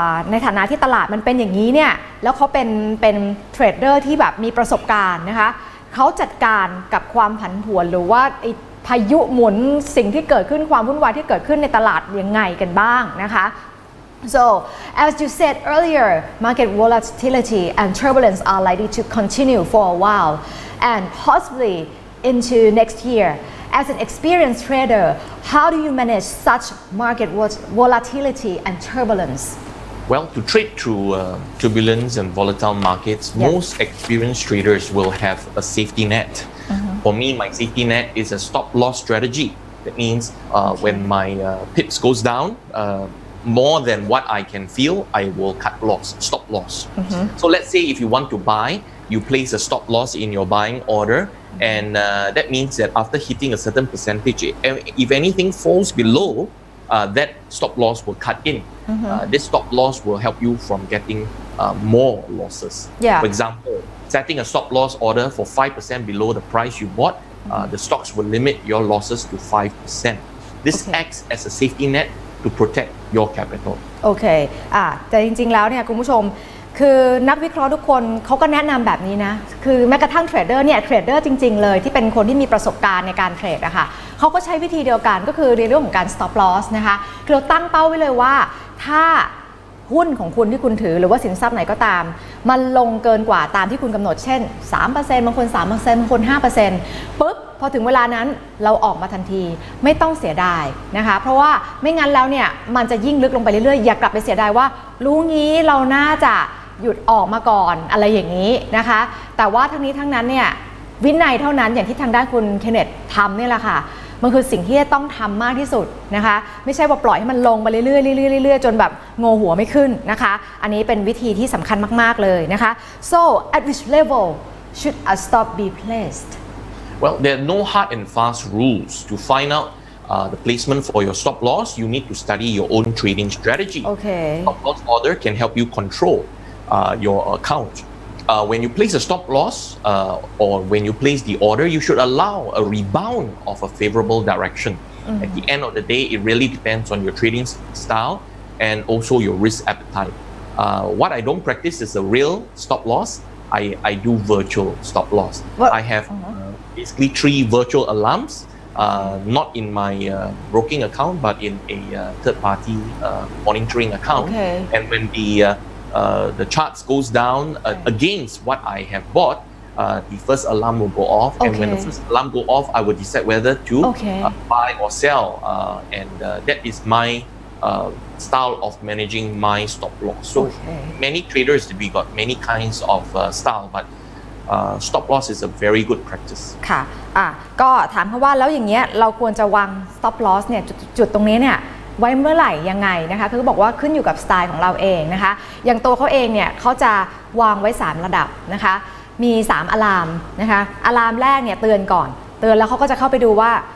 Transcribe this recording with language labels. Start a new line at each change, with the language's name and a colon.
Thai: ในฐานะที่ตลาดมันเป็นอย่างนี้เนี่ยแล้วเขาเป็นเทรดเดอร์ที่แบบมีประสบการณ์นะคะเขาจัดการกับความผันผวนหรือว่าพายุหมุนสิ่งที่เกิดขึ้นความวุ่นวายที่เกิดขึ้นในตลาดยังไงกันบ้างนะคะ
English: So as you said earlier market volatility and turbulence are likely to continue for a while and possibly into next year as an experienced trader how do you manage such market volatility and turbulence Well to trade through turbulence and volatile markets yes. most experienced traders will have a safety net mm-hmm. for me my safety net is a stop loss strategy that means when my pips goes down more than what I can feel I will cut loss stop loss mm-hmm. so let's say if you want to buy you place a stop loss in your buying order mm-hmm. and that means that after hitting a certain percentage if anything falls belowthat stop loss will cut in. Mm-hmm. This stop loss will help you from getting more losses. Yeah. For example, setting a stop loss order for 5% below the price you bought, the stocks will limit your losses to 5%. This acts as a safety net to protect your capital. Okay.
Thai: แต่จริงๆแล้วเนี่ยคุณผู้ชมคือนักวิเคราะห์ทุกคนเขาก็แนะนำแบบนี้นะคือแม้กระทั่งเทรดเดอร์เนี่ยเทรดเดอร์จริงๆเลยที่เป็นคนที่มีประสบการณ์ในการเทรดอะค่ะเขาก็ใช้วิธีเดียวกันก็คือในเรื่องของการ stop loss นะคะคือเราตั้งเป้าไว้เลยว่าถ้าหุ้นของคุณที่คุณถือหรือว่าสินทรัพย์ไหนก็ตาม มันลงเกินกว่าตามที่คุณกำหนดเช่น 3% บางคน 3% บางคน 5% ปึ๊บพอถึงเวลานั้นเราออกมาทันทีไม่ต้องเสียดายนะคะเพราะว่าไม่งั้นแล้วเนี่ยมันจะยิ่งลึกลงไปเรื่อยๆอย่ากลับไปเสียดายว่ารู้งี้เราน่าจะหยุดออกมาก่อนอะไรอย่างนี้นะคะแต่ว่าทั้งนี้ทั้งนั้นเนี่ย วินัยเท่านั้นอย่างที่ทางด้านคุณเคนเนตทำนี่แหละค่ะมันคือสิ่งที่จะต้องทำมากที่สุดนะคะไม่ใช่ว่าปล่อยให้มันลงมาเรื่อยๆเรื่อยๆจนแบบงอหัวไม่ขึ้นนะคะอันนี้เป็นวิธีที่สำคัญมากๆเลยนะคะ
English: so at which level should a stop be placed well there are no hard and fast rules to find outthe placement for your stop loss you need to study your own trading strategy okay stop loss order can help you controlyour account when you place a stop loss or when you place the order you should allow a rebound of a favorable direction mm-hmm. at the end of the day it really depends on your trading style and also your risk appetite what I don't practice is a real stop loss I do virtual stop loss what? I have basically three virtual alarms not in my broking account but in a third party monitoring account okay. and when the charts goes down against what I have bought the first alarm will go off okay. and when the first alarm go off I will decide whether to buy or sell that is my style of managing my stop loss so okay. many traders we got many kinds of style butstop loss is a very good practice
Thai: ค่ะก็ถามเขาว่าแล้วอย่างเงี้ยเราควรจะวาง stop loss เนี่ยจุดตรงนี้เนี่ยไว้เมื่อไหร่ยังไงนะคะคือบอกว่าขึ้นอยู่กับสไตล์ของเราเองนะคะอย่างตัวเขาเองเนี่ยเขาจะวางไว้3ระดับนะคะมี3อะลามนะคะอะลามแรกเนี่ยเตือนก่อนเตือนแล้วเขาก็จะเข้าไปดูว่า